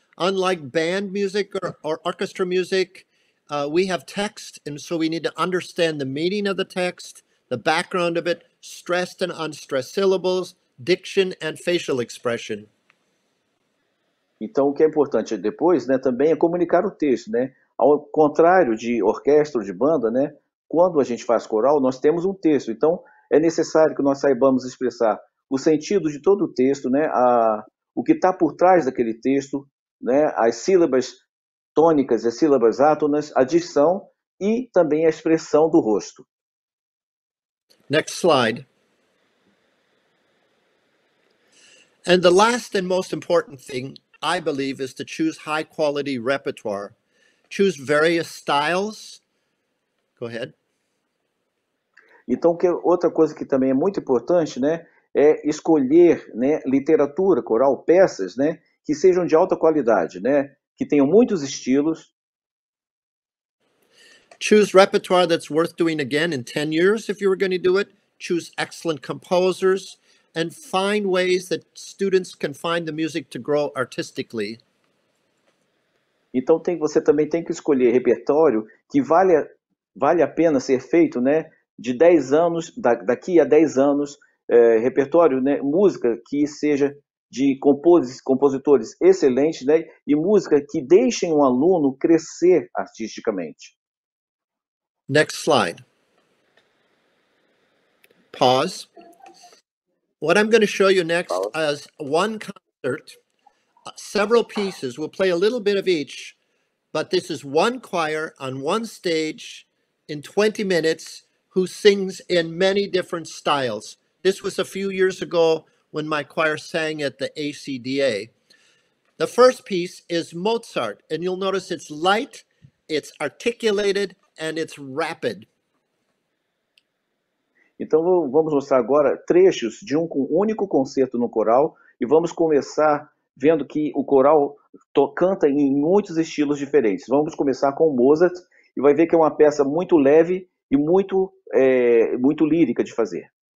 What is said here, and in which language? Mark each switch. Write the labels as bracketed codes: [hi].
[en] Unlike band music or orchestra music, we have text, and so we need to understand the meaning of the text, the background of it, stressed and unstressed syllables, diction and facial expression. [pt] Então, o que é importante depois, né, também é comunicar o texto, né? Ao contrário de orquestra ou de banda, né, quando a gente faz coral, nós temos um texto. Então, é necessário que nós saibamos expressar o sentido de todo o texto, né, o que está por trás daquele texto, né, as sílabas tônicas, as sílabas átonas, a dicção e também a expressão do rosto. [en] Next slide. And the last and most important thing, I believe, is to choose high quality repertoire. Choose various styles. Go ahead. [pt] Então, outra coisa que também é muito importante, né, é escolher, né, literatura coral, peças, né, que sejam de alta qualidade, né, que tenham muitos estilos. [en] Choose repertoire that's worth doing again in 10 years if you were going to do it. Choose excellent composers and find ways that students can find the music to grow artistically. [pt] Então você também tem que escolher repertório que vale a pena ser feito, né, de 10 anos, daqui a 10 anos, repertório, né, música que seja de compositores excelentes, né, e música que deixem um aluno crescer artisticamente. [en] Next slide. Pause. What I'm going to show you next is one concert. Several pieces. We'll play a little bit of each, but this is one choir on one stage in 20 minutes who sings in many different styles. This was a few years ago when my choir sang at the ACDA. The first piece is Mozart, and you'll notice it's light, it's articulated, and it's rapid. [pt] Então vamos mostrar agora trechos de um único concerto no coral e vamos começar vendo que o coral canta em muitos estilos diferentes. Vamos começar com Mozart e vai ver que é uma peça muito leve e muito, muito lírica de fazer.